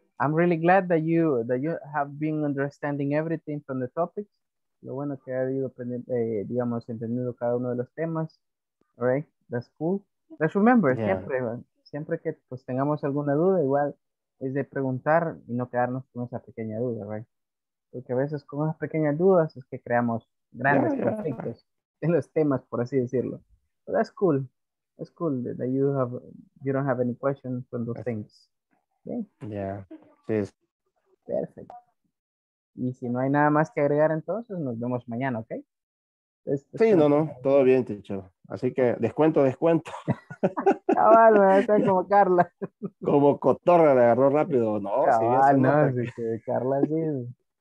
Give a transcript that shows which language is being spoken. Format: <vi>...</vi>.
<en>I'm really glad that you have been understanding everything from the topics.</en> <es>Lo bueno que ha ido aprendiendo, digamos, entendiendo cada uno de los temas.</es> <en>All right, that's cool. Let's remember, yeah.</en> <es>siempre que pues tengamos alguna duda, igual es de preguntar y no quedarnos con esa pequeña duda,</es> <en>right?</en> <es>Porque a veces con unas pequeñas dudas es que creamos grandes conflictos en los temas, por así decirlo.</es> <en>But that's cool. That's cool that you don't have any questions from those things. Yeah. Yeah. Perfect.</en> <es>Y si no hay nada más que agregar, entonces nos vemos mañana, ¿ok? Sí, todo bien, teacher. Así que descuento. Cabal, me está como Carla. Como cotorra, le agarró rápido. No, cabal, sí, no, sí, que Carla sí.</es>